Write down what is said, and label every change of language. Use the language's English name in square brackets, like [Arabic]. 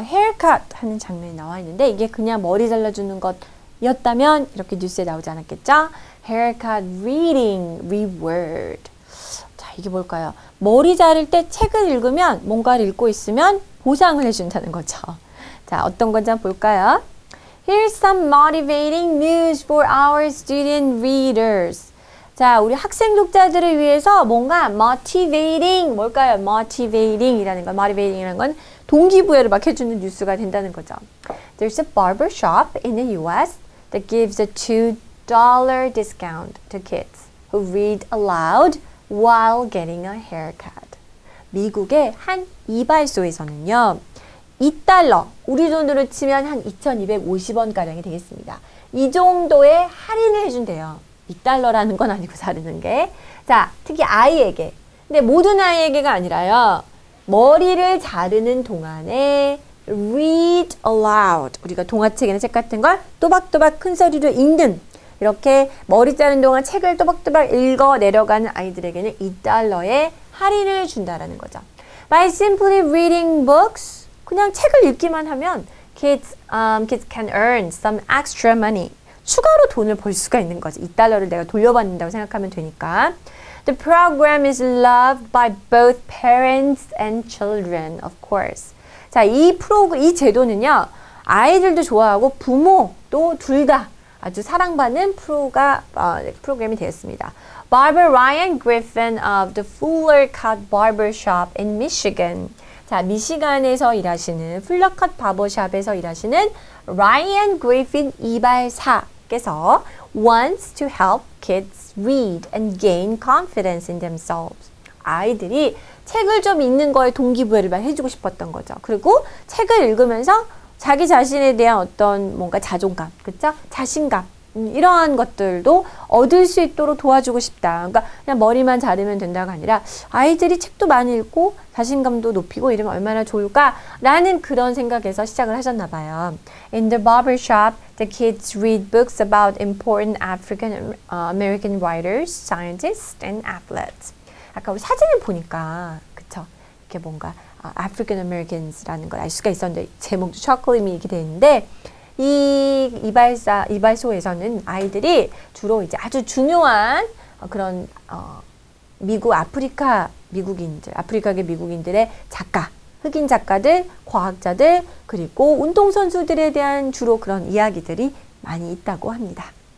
[Korean] haircut 하는 장면이 나와 있는데 이게 그냥 머리 잘라주는 것이었다면 이렇게 뉴스에 나오지 않았겠죠? [English] haircut reading reward. [Korean] 자, 이게 뭘까요? 머리 자를 때 책을 읽으면 뭔가를 읽고 있으면 보상을 해준다는 거죠. 자, 어떤 건지 한번 볼까요? [English] Here's some motivating news for our student readers. [Korean] 자, 우리 학생 독자들을 위해서 뭔가 motivating, 뭘까요? motivating이라는 건, motivating이라는 건 동기부여를 막 해주는 뉴스가 된다는 거죠. [English] There's a barber shop in the US that gives a $2 discount to kids who read aloud while getting a haircut. [Korean] 미국의 한 이발소에서는요, 2달러, 우리 돈으로 치면 한 2,250원가량이 되겠습니다. 이 정도의 할인을 해준대요. 2달러라는 건 아니고 다루는 게. 자, 특히 아이에게. 근데 모든 아이에게가 아니라요. 머리를 자르는 동안에 [English] read aloud. [Korean] 우리가 동화책이나 책 같은 걸 또박또박 큰 소리로 읽는. 이렇게 머리 자르는 동안 책을 또박또박 읽어 내려가는 아이들에게는 2달러의 할인을 준다라는 거죠. [English] By simply reading books. [Korean] 그냥 책을 읽기만 하면 [English] kids can earn some extra money. [Korean] 추가로 돈을 벌 수가 있는 거지. 2달러를 내가 돌려받는다고 생각하면 되니까. [English] The program is loved by both parents and children, of course. [Korean] 자, 이 제도는요. 아이들도 좋아하고 부모도 둘 다 아주 사랑받는 프로그램이 되었습니다. [English] Barber Ryan Griffin of the Fuller Cut Barber Shop in Michigan. [Korean] 자, 미시간에서 일하시는 플러컷 바버샵에서 일하시는 라이언 그리핀 이발사께서 [English] wants to help kids read and gain confidence in themselves. [Korean] 아이들이 책을 좀 읽는 거에 동기부여를 많이 해주고 싶었던 거죠. 그리고 책을 읽으면서 자기 자신에 대한 어떤 뭔가 자존감, 그쵸? 자신감 이러한 것들도 얻을 수 있도록 도와주고 싶다. 그러니까 그냥 머리만 자르면 된다가 아니라 아이들이 책도 많이 읽고 자신감도 높이고 이러면 얼마나 좋을까? 라는 그런 생각에서 시작을 하셨나 봐요. [English] In the barbershop, the kids read books about important African American writers, scientists, and athletes. [Korean] 아까 우리 사진을 보니까 그쵸? 이렇게 뭔가 African Americans라는 걸 알 수가 있었는데 제목도 Chocolate Me 이렇게 돼 있는데 이발소에서는 아이들이 주로 이제 아주 중요한 그런 미국 아프리카 미국인들 아프리카계 미국인들의 작가 흑인 작가들 과학자들 그리고 운동 선수들에 대한 주로 그런 이야기들이 많이 있다고 합니다.